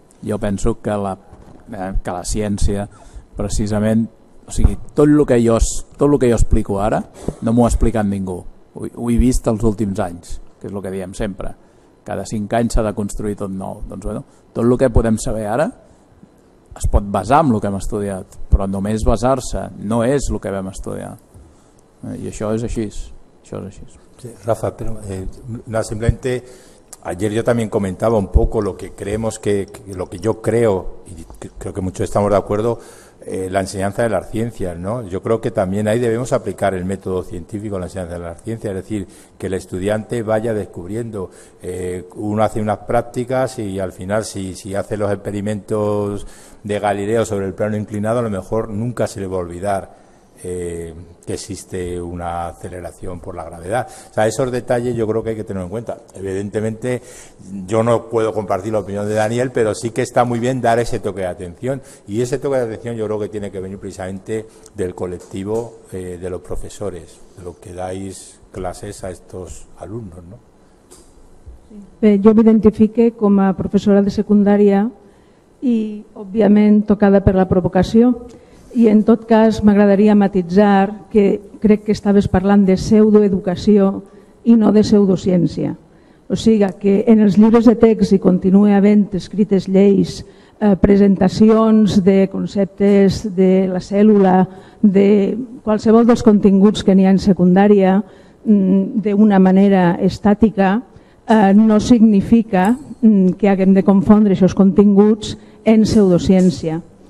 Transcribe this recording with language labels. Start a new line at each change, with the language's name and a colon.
Catalan: Jo penso que la ciència precisament, o sigui, tot el que jo explico ara no m'ho ha explicat ningú. Ho he vist els últims anys, que és el que diem sempre. Cada 5 anys s'ha de construir tot nou. Doncs bueno, tot el que podem saber ara es pot basar en el que hem estudiat, però només basar-se no és el que vam estudiar. I això és així. Això és així. Sí, Rafa, però no,
Spanish: simplemente ayer yo también comentaba un poco lo que creemos que lo que yo creo, y creo que muchos estamos de acuerdo, la enseñanza de las ciencias, ¿no? Yo creo que también ahí debemos aplicar el método científico a la enseñanza de las ciencias, es decir, que el estudiante vaya descubriendo. Uno hace unas prácticas y al final si hace los experimentos de Galileo sobre el plano inclinado, a lo mejor nunca se le va a olvidar que existe una aceleración por la gravedad. O sea, esos detalles yo creo que hay que tenerlo en cuenta. Evidentemente, yo no puedo compartir la opinión de Daniel, pero sí que está muy bien dar ese toque de atención. Y ese toque de atención yo creo que tiene que venir precisamente del colectivo de los profesores, de los que dais clases a estos alumnos, ¿no?
Catalan: Yo me identifique com a professora de secundària i, òbviament, tocada per la provocació. I, en tot cas, m'agradaria matitzar que crec que estaves parlant de pseudoeducació i no de pseudociència. O sigui, que en els llibres de text hi continua havent escrites lleis, presentacions de conceptes de la cèl·lula, de qualsevol dels continguts que n'hi ha en secundària, d'una manera estàtica, no significa que haguem de confondre aquests continguts en pseudociència.